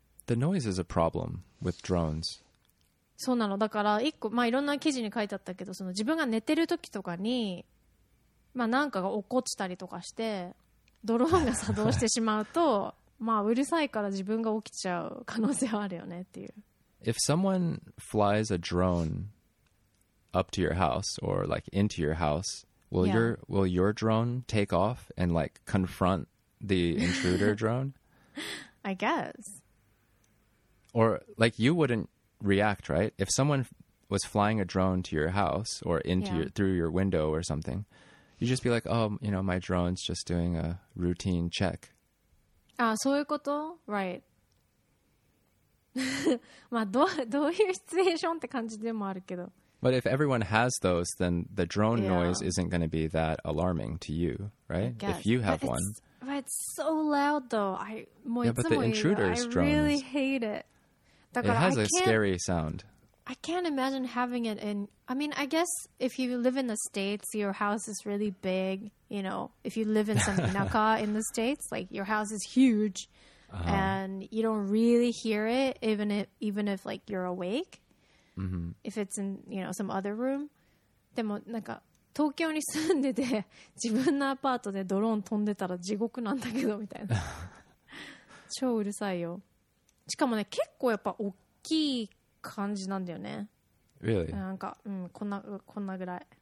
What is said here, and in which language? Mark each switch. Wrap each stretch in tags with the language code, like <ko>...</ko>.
<en>The noise is a problem with drones.</en> <ja>そうなの。だから一個、まあいろんな記事に書いてあったけど、その自分が寝てる時とかに、まあなんかが落っこちたりとかして、ドローンが作動してしまうと、まあうるさいから自分が起きちゃう可能性はあるよねっていう。</ja> <en>If someone flies a drone up to your house or like into your house, will your drone take off and like confront the intruder drone? I guess. Or like you wouldn't react, right? If someone was flying a drone to your house or into your, through your window or something, you'd just be like, oh, you know, my drone's just doing a routine check.</en> <ja>Ah, そういうこと?Right. まあ、どういうシチュエーションって感じでもあるけど。</ja> <en>But if everyone has those, then the drone noise isn't going to be that alarming to you, right? If you have one. But it's so loud, though. But the intruder's drone. I really hate it. It has a scary sound. I can't imagine having it in... I mean, I guess if you live in the States, your house is really big. You know, if you live in some naka in the States, like your house is huge and you don't really hear it even if like you're awake. Mm-hmm. If it's in, you know, some other room.</en> <ja>でもなんか東京に住んでて自分のアパートでドローン飛んでたら地獄なんだけどみたいな。超うるさいよ。しかもね、結構やっぱ大きい感じなんだよね。</ja> <en>Really?</en> <ja>なんか、うん、こんなぐらい。</ja>